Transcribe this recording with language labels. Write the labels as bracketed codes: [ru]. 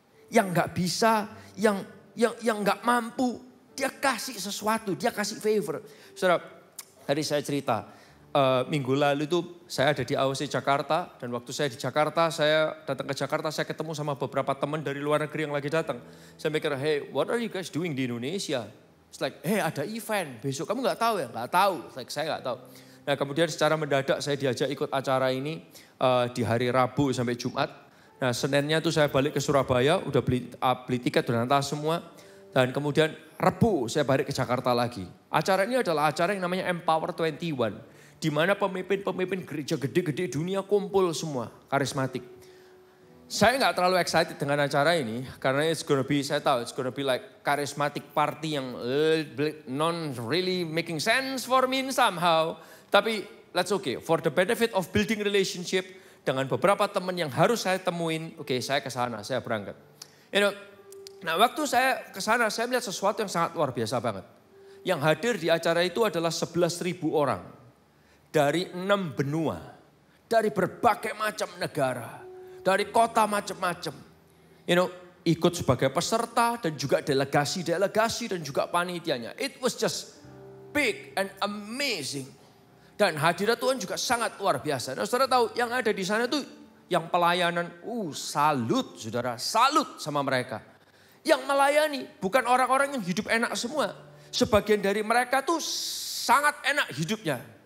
[id] Yang gak bisa, yang gak mampu. Dia kasih sesuatu, dia kasih favor. Saudara, tadi saya cerita. Minggu lalu itu saya ada di AOC Jakarta. Dan waktu saya di Jakarta, saya datang ke Jakarta. Saya ketemu sama beberapa teman dari luar negeri yang lagi datang. Saya mikir, [en] hey, what are you guys doing [id] di Indonesia? [en] It's like, hey, [id] ada event besok. Kamu gak tahu ya? Gak tahu. [en] It's like, [id] saya gak tahu. Nah kemudian secara mendadak saya diajak ikut acara ini di hari Rabu sampai Jumat. Nah Seninnya tuh saya balik ke Surabaya, udah beli tiket dan entah semua. Dan kemudian Rabu saya balik ke Jakarta lagi. Acara ini adalah acara yang namanya Empower 21. Di mana pemimpin-pemimpin gereja gede-gede dunia kumpul semua, karismatik. Saya gak terlalu excited dengan acara ini. Karena [en] it's gonna be like charismatic party [id] yang [en] non really making sense for me somehow. [id] Tapi [en] let's okay, for the benefit of building relationship [id] dengan beberapa teman yang harus saya temuin, okay, saya ke sana, saya berangkat. [en] You know, [id] nah waktu saya ke sana, saya melihat sesuatu yang sangat luar biasa banget. Yang hadir di acara itu adalah 11.000 orang dari 6 benua, dari berbagai macam negara, dari kota macam-macam. [en] You know, [id] ikut sebagai peserta dan juga delegasi-delegasi dan juga panitianya. [en] It was just big and amazing. [id] Dan hadirat Tuhan juga sangat luar biasa. Nah, saudara tahu yang ada di sana tuh yang pelayanan, salut saudara, salut sama mereka. Yang melayani bukan orang-orang yang hidup enak semua. Sebagian dari mereka tuh sangat enak hidupnya.